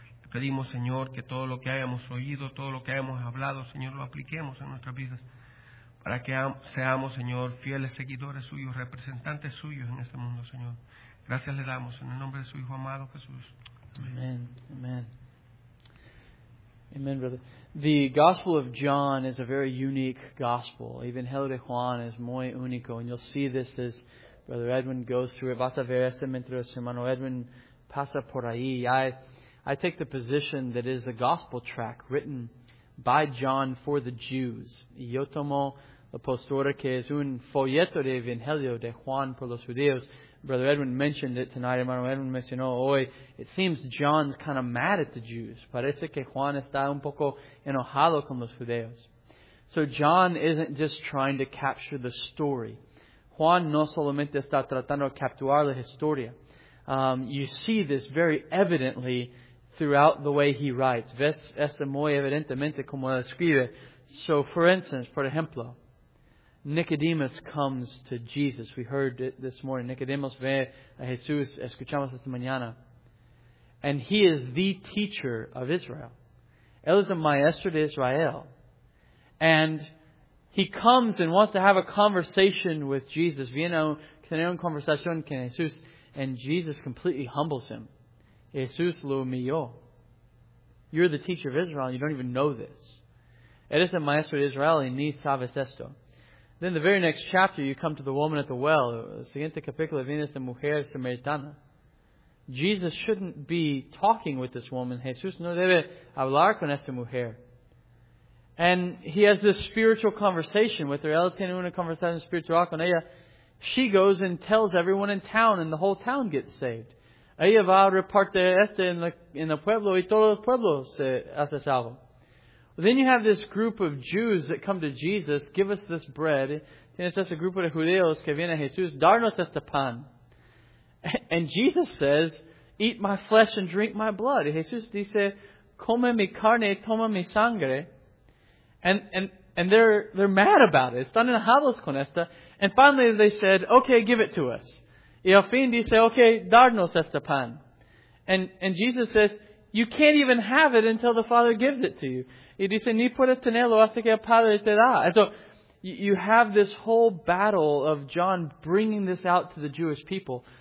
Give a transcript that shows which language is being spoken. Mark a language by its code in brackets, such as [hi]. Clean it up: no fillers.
[es] Pedimos, Señor, que todo lo que hayamos oído, todo lo que hayamos hablado, Señor, lo apliquemos en nuestras vidas para que seamos, Señor, fieles seguidores suyos, representantes suyos en este mundo, Señor. Gracias le damos en el nombre de su Hijo amado, Jesús. Amén. Amén. Amén, brother. [en] The Gospel of John is a very unique gospel. Even [es] el de Juan es muy único. [en] And you'll see this as Brother Edwin goes through it. [es] Vas a ver este mientras hermano Edwin pasa por ahí. [en] I take the position that it is a gospel tract written by John for the Jews. [es] Y yo tomo la postura que es un folleto de Evangelio de Juan por los judíos. [en] Brother Edwin mentioned it tonight. [es] Hermano Edwin mencionó hoy. [en] It seems John's kind of mad at the Jews. [es] Parece que Juan está un poco enojado con los judíos. [en] So John isn't just trying to capture the story. [es] Juan no solamente está tratando de capturar la historia. [en] You see this very evidently throughout the way he writes. [es] Ves esto muy evidentemente como él escribe. [en] So, for instance, [es] por ejemplo, [en] Nicodemus comes to Jesus. We heard it this morning. [es] Nicodemus ve a Jesús. Escuchamos esta mañana. [en] And he is the teacher of Israel. [es] Él es el maestro de Israel. [en] And he comes and wants to have a conversation with Jesus. [es] Viene a tener una conversación con Jesús. [en] And Jesus completely humbles him. [es] Jesús lo humilló. [en] You're the teacher of Israel. You don't even know this. [es] Eres el maestro de Israel y ni sabes esto. [en] Then the very next chapter, you come to the woman at the well. [es] El siguiente capítulo viene esta mujer samaritana. [en] Jesus shouldn't be talking with this woman. [es] Jesús no debe hablar con esta mujer. [en] And he has this spiritual conversation with her. [es] Ella tiene una conversación espiritual con ella. [en] She goes and tells everyone in town, and the whole town gets saved. [es] Ella va a repartir esto en el pueblo, y todo el pueblo se hace salvo. [en] Then you have this group of Jews that come to Jesus, give us this bread. [es] Tienes este grupo de judíos que viene a Jesús, darnos este pan. [en] And Jesus says, eat my flesh and drink my blood. [es] Jesús dice, come mi carne, toma mi sangre. [en] And they're mad about it. [es] Están enojados con esta. [en] And finally they said, okay, give it to us. [es] Y al fin dice, okay, darnos este pan. [en] And Jesus says, you can't even have it until the Father gives it to you. [es] Y dice, ni puedes tenerlo hasta que el Padre te da. [en] And so you have this whole battle of John bringing this out to the Jewish people.